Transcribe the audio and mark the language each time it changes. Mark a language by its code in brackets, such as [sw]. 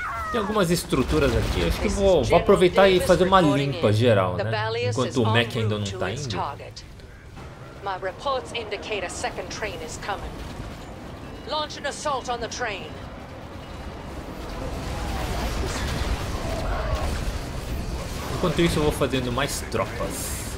[pt] Tem algumas estruturas aqui. Acho que vou aproveitar e fazer uma limpa geral, né? Enquanto o Mac ainda não tá indo. [en] My reports indicate a second train is coming. Launch an assault on the train. [pt] Enquanto isso, eu vou fazendo mais tropas.